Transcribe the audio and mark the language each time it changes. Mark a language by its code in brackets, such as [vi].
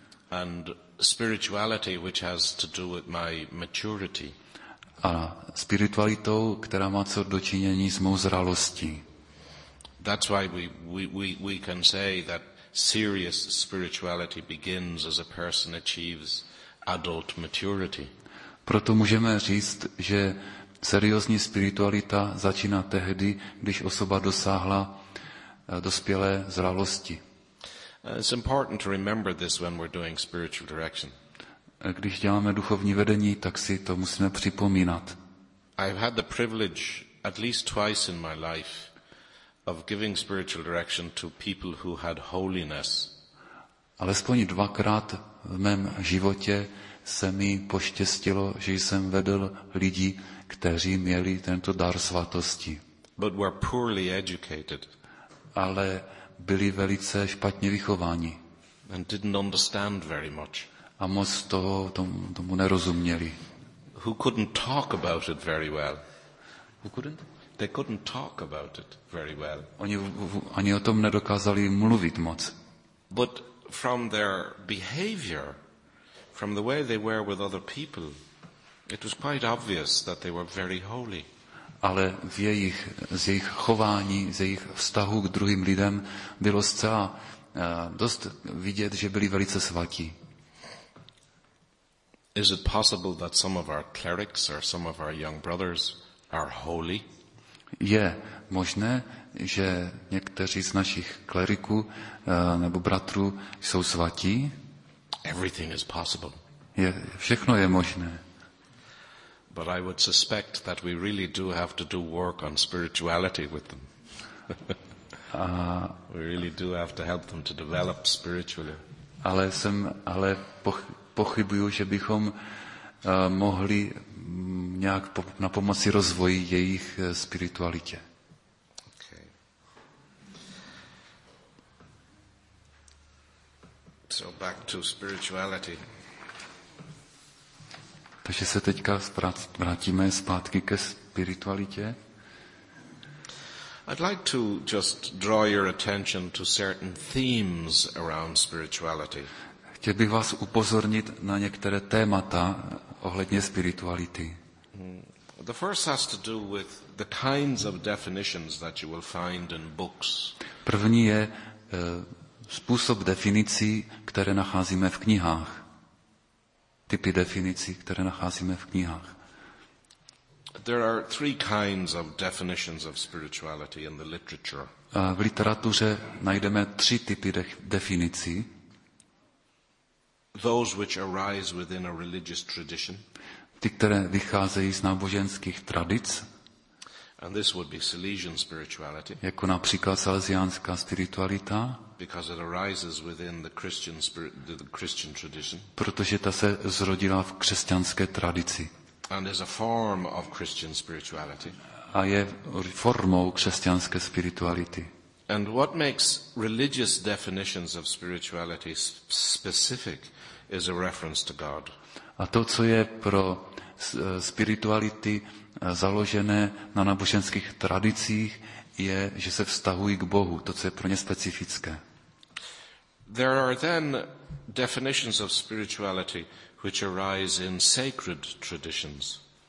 [en] and spirituality, which has to do with my maturity. [cs] A spiritualitou, která má co dočinění s mou zralostí. [en] That's why we can say that serious spirituality begins as a person achieves adult maturity. [cs] Proto můžeme říct, že seriózní spiritualita začíná tehdy, když osoba dosáhla dospělé zralosti. [en] It's important to remember this when we're doing spiritual direction. [cs] Když děláme duchovní vedení, tak si to musíme připomínat. [en] I've had the privilege at least twice in my life of giving spiritual direction to people who had holiness. [cs] Alespoň dvakrát v mém životě se mi poštěstilo, že jsem vedl lidi, kteří měli tento dar svatosti. [en] But were poorly educated. [cs] Ale byli velice špatně vychováni. [en] And didn't understand very much. [cs] A moc toho tomu nerozuměli. [en] Who couldn't talk about it very well. Who couldn't? They couldn't talk about it very well. [cs] Oni ani o tom nedokázali mluvit moc. [en] But from their behavior, from the way they were with other people, it was quite obvious that they were very holy. [cs] Ale z jejich chování, z jejich vztahu k druhým lidem bylo zcela dost vidět, že byli velice svatí. [en] Is it possible that some of our clerics or some of our young brothers are holy? [cs] Je možné, že někteří z našich kleriků nebo bratrů jsou svatí? [en] Everything is possible. [cs] Je, všechno je možné. [en] But I would suspect that we really do have to do work on spirituality with them. We really do have to help them to develop spiritually. [cs] Ale pochybuju, že bychom mohli nějak na pomoci rozvoji jejich spiritualitě. [en] Okay. So back to spirituality. [cs] Takže se teďka vrátíme zpátky ke spiritualitě. [en] I'd like to just draw your attention to certain themes around spirituality. [cs] Chtěl bych vás upozornit na některé témata ohledně spirituality. [en] The first has to do with the kinds of definitions that you will find in books. [cs] První je způsob definicí, které nacházíme v knihách. Typy definicí, které nacházíme v knihách. [en] There are three kinds of definitions of spirituality in the literature. [cs] A v literatuře najdeme tři typy definicí. [en] Those which arise within a religious tradition. [cs] Ty, které vycházejí z náboženských tradic. [en] And this would be Salesian spirituality. [cs] Jako například salesiánská spiritualita. [en] Because it arises within the Christian spirit, the Christian tradition. [cs] Protože ta se zrodila v křesťanské tradici. [en] And is a form of Christian spirituality. [cs] A je formou křesťanské spirituality. [en] And what makes religious definitions of spirituality specific is a reference to God. [cs] A to, co je pro spirituality založené na náboženských tradicích, je, že se vztahují k Bohu, to, co je pro ně specifické. [en] There are then definitions of spirituality which arise in sacred traditions.